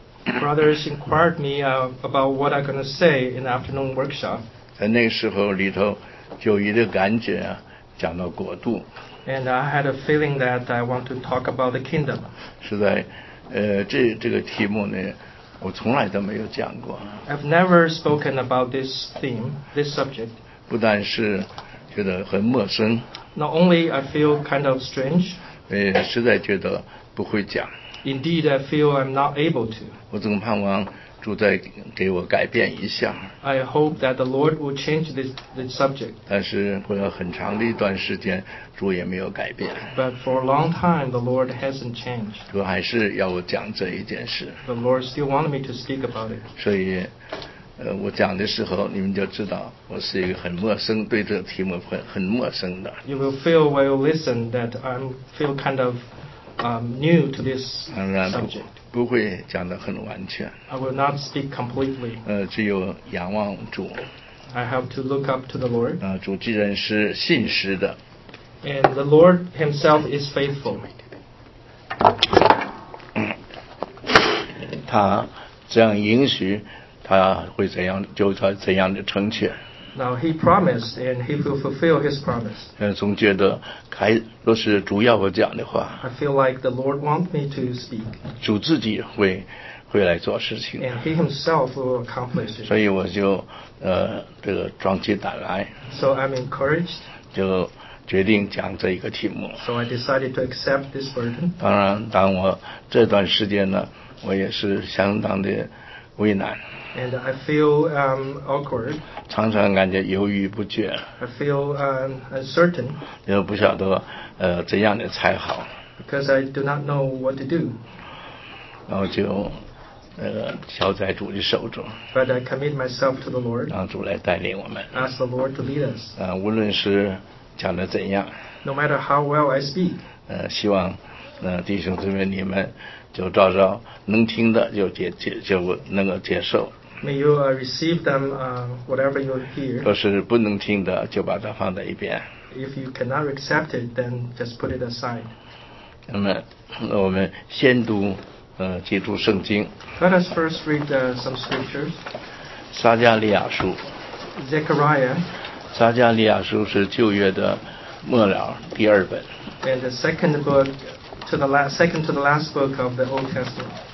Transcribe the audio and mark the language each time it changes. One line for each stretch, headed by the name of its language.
English: brothers inquired me about what I'm going to say in the afternoon workshop.
Chinese: 在那个时候里头，就一个感觉啊，讲到国度。
English: And I had a feeling that I want to talk about the kingdom.
Chinese: 是在，这个题目呢，我从来都没有讲过。
English: I've never spoken about this theme, this subject.
Chinese: 不但是觉得很陌生。
English: Not only I feel kind of strange.
Chinese: 实在觉得不会讲。
English: Indeed, I feel I'm not able to.
Chinese: 我总盼望主再给我改变一下。
English: I hope that the Lord will change this subject.
Chinese: 但是过了很长的一段时间，主也没有改变。
English: But for a long time, the Lord hasn't changed.
Chinese: 主还是要我讲这一件事。
English: The Lord still wanted me to speak about it.
Chinese: 所以，我讲的时候，你们就知道我是一个很陌生，对这个题目很陌生的。
English: You will feel when you listen that I feel kind of new to this subject.
Chinese: 不会讲得很完全。
English: I will not speak completely.
Chinese: 只有仰望主。
English: I have to look up to the Lord.
Chinese: 主既然是信实的。
English: And the Lord himself is faithful.
Chinese: 他这样应许，他会怎样，就他怎样的成全。
English: Now he promised and he will fulfill his promise.
Chinese: 总觉得还若是主要我讲的话，
English: I feel like the Lord wants me to speak.
Chinese: 主自己会来做事情，
English: and he himself will accomplish it.
Chinese: 所以我就这个壮起胆来，
English: so I'm encouraged.
Chinese: 就决定讲这一个题目，
English: so I decided to accept this burden.
Chinese: 当然当我这段时间呢，我也是相当的为难。
English: And I feel awkward.
Chinese: 常常感觉犹豫不决。
English: I feel uncertain.
Chinese: 又不晓得怎样的才好。
English: Because I do not know what to do.
Chinese: 然后就交在主的手中。
English: But I commit myself to the Lord.
Chinese: 让主来带领我们。
English: Ask the Lord to lead us.
Chinese: 无论是讲的怎样。
English: No matter how well I speak.
Chinese: 希望弟兄姊妹你们就照着能听的就能够接受。
English: May you receive them whatever you hear.
Chinese: 若是不能听的，就把它放在一边。
English: If you cannot accept it, then just put it aside.
Chinese: 那我们先读基督圣经。
English: Let us first read some scriptures.
Chinese: 撒迦利亚书。
English: Zechariah.
Chinese: 撒迦利亚书是旧约的末了第二本。
English: And the second book. To the last, second to the last book of the Old Testament.